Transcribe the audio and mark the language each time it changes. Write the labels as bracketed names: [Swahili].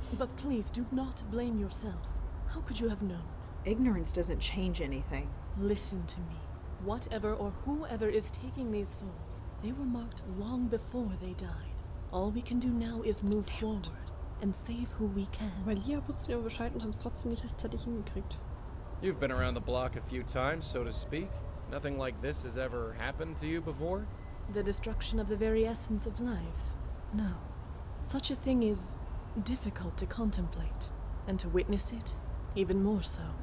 [English] But please, do not blame yourself. How could you have known? Ignorance doesn't change anything. Listen to me. Whatever or whoever is taking these souls, they were marked long before they died. All we can do now is move forward and save who we can. [German] Weil Leah wusste ja Bescheid und haben es trotzdem nicht rechtzeitig hingekriegt. [English] You've been around the block a few times, so to speak. Nothing like this has ever happened to you before? The destruction of the very essence of life? No. Such a thing is difficult to contemplate, and to witness it, even more so.